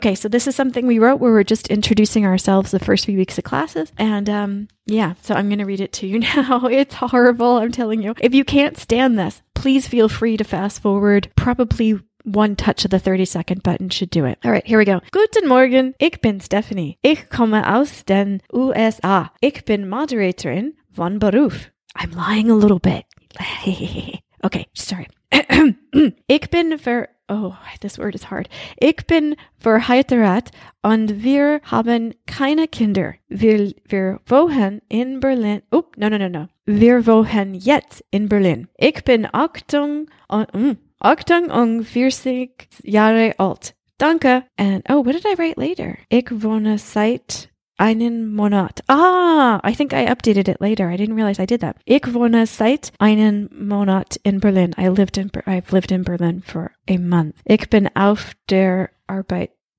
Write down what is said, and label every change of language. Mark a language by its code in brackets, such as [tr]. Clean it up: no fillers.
[en] Okay, so this is something we wrote where we're just introducing ourselves the first few weeks of classes. And yeah, so I'm going to read it to you now. It's horrible, I'm telling you. If you can't stand this, please feel free to fast forward. Probably one touch of the 30-second button should do it. All right, here we go. [de] Guten Morgen, ich bin Stephanie. Ich komme aus den USA. Ich bin Moderatorin von Beruf. [en] I'm lying a little bit. Okay, sorry. [de] Ich bin [en] this word is hard. [de] Ich bin verheiratet und wir haben keine Kinder. Wir wohnen in Berlin. [en] Oh, no. [de] Wir wohnen jetzt in Berlin. Ich bin 48 Jahre alt. Danke. [en] And, what did I write later? [de] Ich wohne seit einen Monat. [en] Ah, I think I updated it later. I didn't realize I did that. [de] Ich wohne seit einen Monat in Berlin. [en] I've lived in Berlin for a month. [de] Ich bin auf der Arbeitssuche.